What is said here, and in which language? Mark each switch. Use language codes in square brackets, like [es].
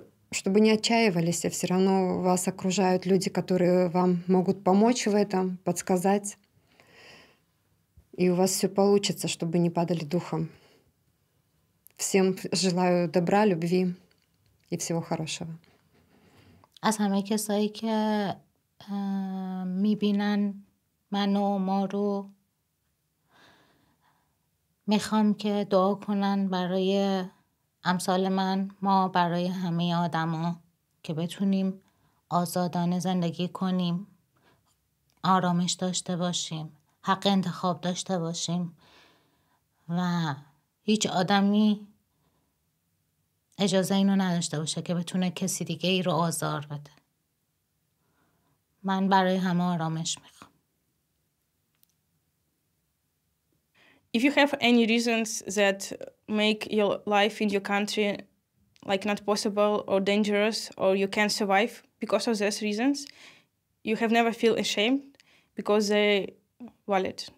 [ru] Чтобы не отчаивались, а все равно вас окружают люди, которые вам могут помочь в этом, подсказать. И у вас все получится, чтобы не падали духом. Всем желаю добра, любви и всего хорошего. [fa] از همه کسایی که میبینن منو ما رو میخوام که دعا کنن برای امثال من ما برای همه آدما که بتونیم آزادانه زندگی کنیم آرامش داشته باشیم حق انتخاب داشته باشیم و هیچ آدمی اجازه اینو نداشته باشه که بتونه کسی دیگه ای رو آزار بده. من برای همه آرامش میخوام. [en] If you have any reasons that make your life in your country like not possible or dangerous or you can't survive because of those reasons, you have never feel ashamed because they valid.